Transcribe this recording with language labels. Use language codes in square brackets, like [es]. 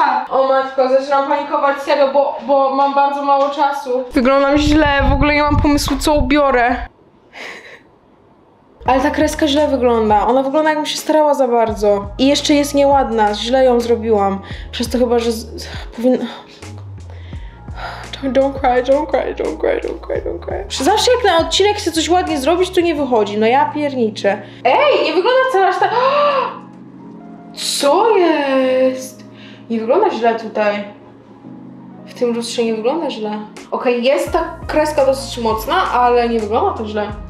[pl] O matko, zaczynam panikować, serio, bo mam bardzo mało czasu. Wyglądam źle, w ogóle nie mam pomysłu, co ubiorę. Ale ta kreska źle wygląda. Ona wygląda jakbym się starała za bardzo. I jeszcze jest nieładna, źle ją zrobiłam. Przez to chyba, że powinna... [en] Don't cry, don't cry, don't cry, don't cry, don't cry. [pl] Zawsze jak na odcinek chcę coś ładnie zrobić, to nie wychodzi. No ja pierniczę. Ej, nie wygląda wcale aż tak... Co jest? Nie wygląda źle tutaj. W tym lustrze nie wygląda źle. Okej, okay, jest ta kreska dosyć mocna, ale nie wygląda to źle.